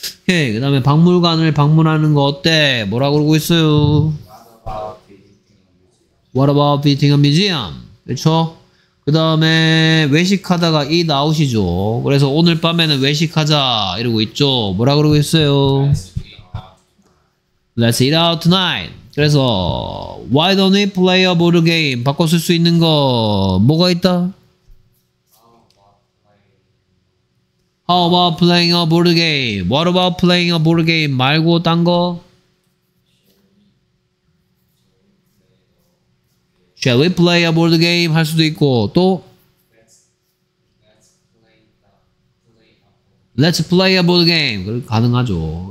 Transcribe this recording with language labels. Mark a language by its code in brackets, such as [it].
[ko] 예, 그다음에 박물관을 방문하는 거 어때? 뭐라고 그러고 있어요? [en] What about visiting a museum? [ko] 그렇죠? 그 다음에 외식하다가 [en] eat out이죠. [ko] 그래서 오늘 밤에는 외식하자 이러고 있죠. 뭐라 그러고 있어요? [en] Let's eat out tonight. [ko] 그래서 [en] Why don't we play a board game? [ko] 바꿔 쓸 수 있는 거 뭐가 있다? [en] How about playing a board game? What about playing a board game? [ko] 말고 딴 거? [en] Shall we play a board game? [ko] 할 수도 있고 또 [en] Let's play a board game. [ko] 가능하죠.